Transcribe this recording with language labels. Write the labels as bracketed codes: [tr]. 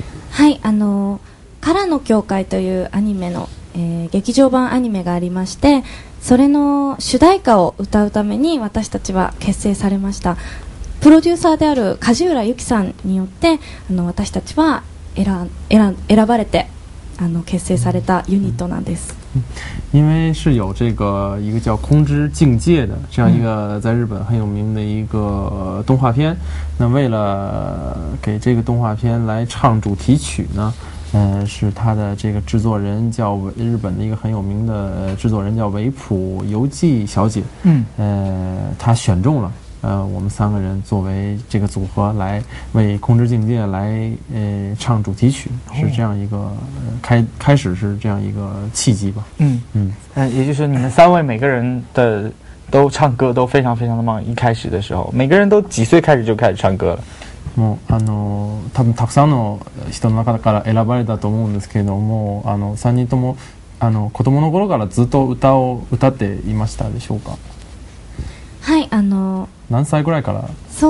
[ja] はい、カラの教会というアニメの、劇場版アニメがありまして、それの主題歌を歌うために私たちは結成されました。プロデューサーである梶浦由紀さんによって私たちは選ばれて結成されたユニットなんです。 [zh] 因为是有这个一个叫《空之境界》的这样一个在日本很有名的一个动画片，那为了给这个动画片来唱主题曲呢，是他的这个制作人叫日本的一个很有名的制作人叫维普游记小姐，嗯，他选中了我们三个人作为这个组合来为《空之境界》来唱主题曲，是这样一个、开始是这样一个契机吧。嗯嗯，也就是你们三位每个人的都唱歌都非常非常的棒。一开始的时候，每个人都几岁开始就开始唱歌了？ [ja] もう多分たくさんの人の中から選ばれたと思うんですけれども、三人とも子供の頃からずっと歌っていましたでしょうか？はい、何歳ぐらいからやってますかね。